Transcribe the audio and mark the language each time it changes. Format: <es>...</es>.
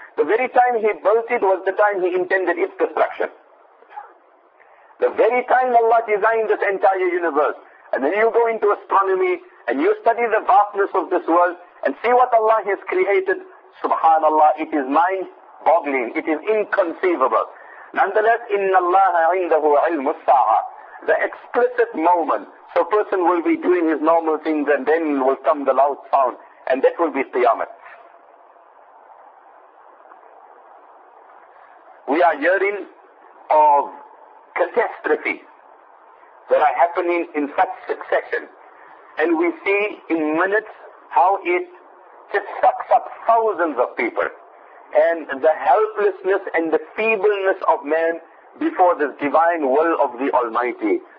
<en>The very time he built it was the time he intended its destruction. The very time Allah designed this entire universe. And then you go into astronomy and you study the vastness of this world and see what Allah has created. Subhanallah, it is mind-boggling. It is inconceivable.</en> <ar>Nonetheless, إِنَّ اللَّهَ عِنْدَهُ عِلْمُ السَّاعَةِ.</ar> <en>The explicit moment. So person will be doing his normal things, and then will come the loud sound, and that will be Qiyamah. We are hearing of catastrophe that are happening in such succession, and we see in minutes how it just sucks up thousands of people, and the helplessness and the feebleness of man before this divine will of the Almighty.</en>